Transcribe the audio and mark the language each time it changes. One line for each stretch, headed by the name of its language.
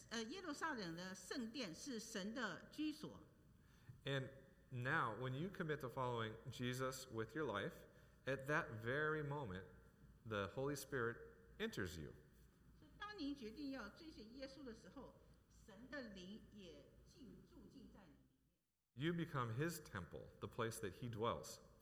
Chinese: 耶路撒冷的圣殿是神的居所。
English: And now, when you commit to following Jesus with your life, at that very moment, the Holy Spirit enters you.
Chinese: 当您决定要追随耶稣的时候，神的灵也住进在你里面。
English: You become His temple, the place that He dwells.